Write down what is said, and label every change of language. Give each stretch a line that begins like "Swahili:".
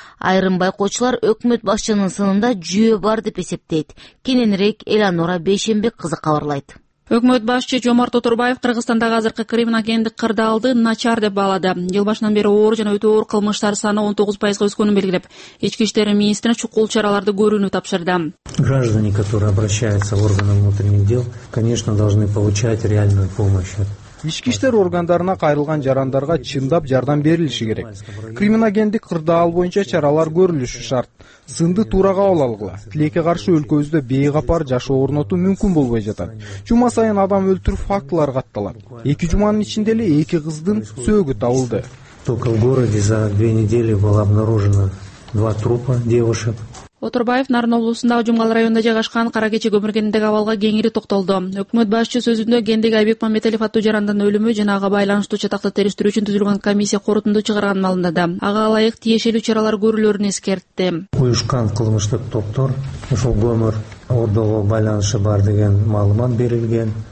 Kyrgyz: Айрым байкоочулар өкмөт башчынын сынында жүйө бар деп эсептейт. Кененирээк Эланора Бейшенбек кызы кабарлайт. Өкмөт башчы Жомарт Оторбаев Кыргызстандагы азыркы криминогендик кырдаалды начар деп баалады. Жыл башынан бери оор жана өтө оор кылмыштар саны 19% өскөнүн белгилеп, ички иштер министрине чукул чараларды көрүүнү тапшырды.
Russian: Граждане, которые обращаются в органы внутренних дел, конечно, должны получать реальную помощь.
Kyrgyz: Ички иштер органдарына кайрылган жарандарга чындап жардам берилиши керек. Криминогендик кырдаал боюнча чаралар көрүлүшү шарт. Сынды туура кабыл алгыла. Тилекке каршы өлкөбүздө бейкапар жашоо орнотуу мүмкүн болбой жатат. Жума сайын адам өлтүрүү фактылары катталат. Эки жуманын ичинде эле эки кыздын сөөгү табылды.
Russian: Только в городе за две недели было обнаружено два трупа девушек.
Kyrgyz: Оторбаев Нарын облусундагы Жумгал районунда жайгашкан кара кече көмүргендик абалга кеңири токтолду. Өкмөт башчы сөзүндө Кендик Айбек Мамбетелев аттуу жарандын өлүмү жана ага байланыштуу чатакты териштирүү үчүн түзүлгөн комиссия корутунду чыгарганын маалымдады. Ага ылайык тиешелүү чаралар көрүлөрүн эскертти. Уюшкан кылмыштык топтор ушул көмүр ордого байланышы бар деген маалымат берилген.